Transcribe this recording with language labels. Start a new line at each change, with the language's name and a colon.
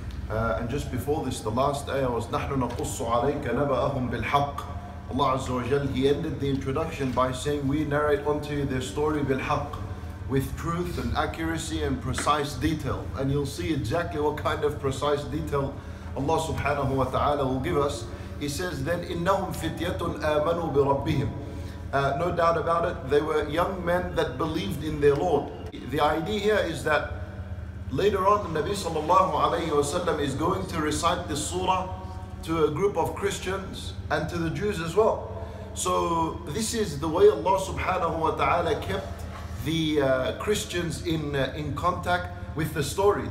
English: And just before this, the last ayah was
Arabic: نَحْنُ نَقُصُّ عَلَيْكَ نَبَأَهُمْ بِالْحَقِّ.
English: Allah Azza wa Jal, He ended the introduction by saying, we narrate unto you their story بالحق, with truth and accuracy and precise detail. And you'll see exactly what kind of precise detail Allah subhanahu wa ta'ala will give us. He says then,
Arabic: إِنَّهُمْ فِتْيَةٌ آمَنُوا بِرَبِّهِمْ.
English: No doubt about it, they were young men that believed in their Lord. The idea here is that later on, Nabi sallallahu alayhi wa sallam is going to recite this surah to a group of Christians and to the Jews as well. So this is the way Allah subhanahu wa ta'ala kept the Christians in contact with the story.